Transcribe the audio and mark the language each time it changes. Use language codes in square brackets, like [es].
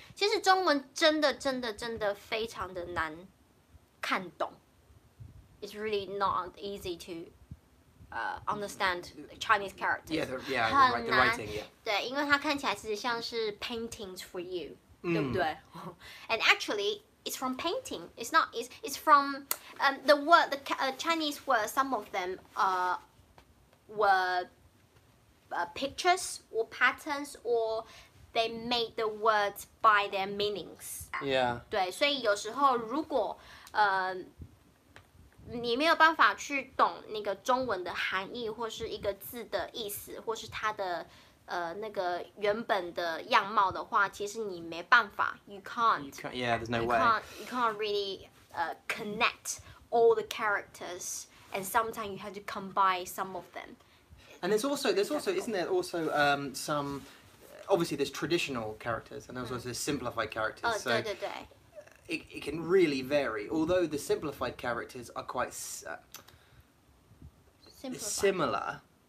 [zh] 其实中文真的非常的难看懂。 [en] It's really not easy to understand Chinese characters. Yeah, the writing. Yeah. [zh] 对，因为它看起来其实像是 [en] paintings for you. [zh] 对不对 [en] And actually, it's from painting. It's not. It's from the word. The Chinese word. Some of them were pictures or patterns, or they made the words by their meanings. Yeah. [zh] 对，所以有时候如果你没有办法去懂那个中文的含义，或是一个字的意思，或是它的那个原本的样貌的话，其实你没办法 [en] you can't really connect all the characters, and sometimes you have to combine some of them. And there's also some, obviously there's traditional characters and there's also there's simplified characters. Oh, so 对。 It can really vary, although the simplified characters are quite similar.